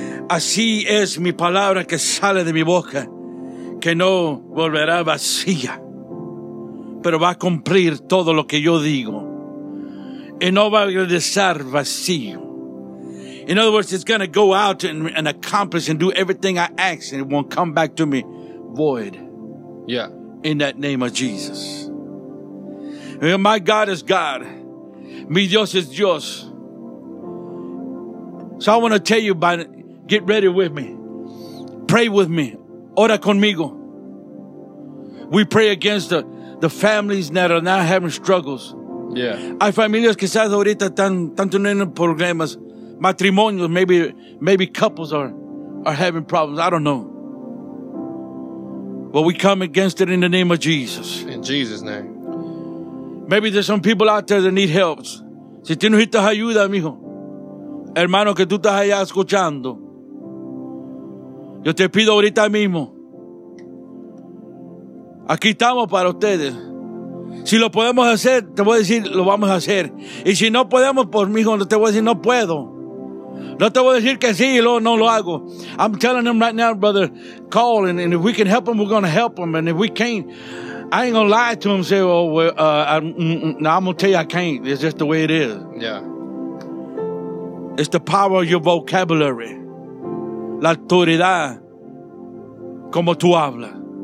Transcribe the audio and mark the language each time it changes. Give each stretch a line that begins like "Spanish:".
Spanish: Así es mi palabra que sale de mi boca, que no volverá vacía, pero va a cumplir todo lo que yo digo. Y no va a regresar vacío.
English: In other words, it's going to go out and accomplish and do everything I ask, and it won't come back to me void. Yeah. In that name of Jesus. My God is God.
Spanish: Mi Dios es Dios.
English: So I want to tell you, get ready with me. Pray with me.
Spanish: Ora conmigo.
English: We pray against the families that are now having struggles. Yeah.
Spanish: Hay familias que quizás ahorita están teniendo problemas.
English: Matrimonios, maybe couples are having problems. I don't know. But we come against it in the name of Jesus. In Jesus' name. Maybe there's some people out there that need help.
Spanish: Si tú necesitas ayuda, mijo. Hermano, que tú estás allá escuchando. Yo te pido ahorita mismo. Aquí estamos para ustedes. Si lo podemos hacer, te voy a decir, lo vamos a hacer. Y si no podemos, pues, mijo, te voy a decir, no puedo. No te voy a decir que sí y luego no lo hago.
English: I'm telling them right now, brother, call. And if we can help them, we're going to help them. And if we can't, I ain't going to lie to them. Say, oh, well, I'm going to tell you I can't. It's just the way it is. Yeah. It's the power of your vocabulary.
Spanish: La autoridad. Como tú hablas.